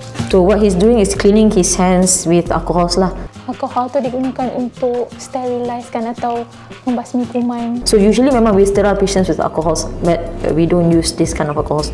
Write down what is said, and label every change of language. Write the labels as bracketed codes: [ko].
[en] So what he's doing is cleaning his hands with alcohol lah. [ms] alkohol tu digunakan untuk sterilisekan atau membasmi kuman. [en] So usually memang we sterilize patients with alcohols, but we don't use this kind of alcohols.